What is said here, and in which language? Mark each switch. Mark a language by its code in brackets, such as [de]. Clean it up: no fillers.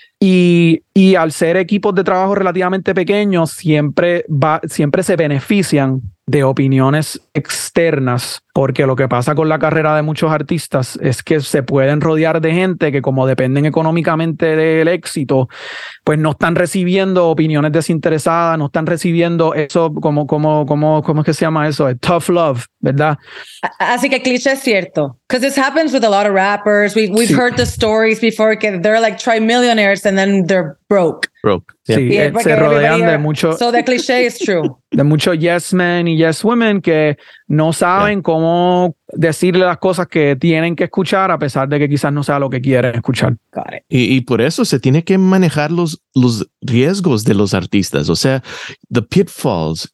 [es] Y al ser equipos de trabajo relativamente pequeños, siempre se benefician de opiniones externas, porque lo que pasa con la carrera de muchos artistas es que se pueden rodear de gente que, como dependen económicamente del éxito, pues no están recibiendo opiniones desinteresadas, no están recibiendo eso, ¿cómo es que se llama eso? El tough love, ¿verdad? Así que el cliché es cierto. [en] Because this happens with a lot of rappers. We've heard the stories before, que they're like trimillionaires and then they're broke. Broke. [es] Yeah. Sí, se rodean de mucho. [en] So the cliché is true. [es] De muchos yes men y yes women que no saben cómo decirle las cosas que tienen que escuchar, a pesar de que quizás no sea lo que quieren escuchar. Y por eso se tiene que manejar los riesgos de los artistas, o sea, [en] the pitfalls.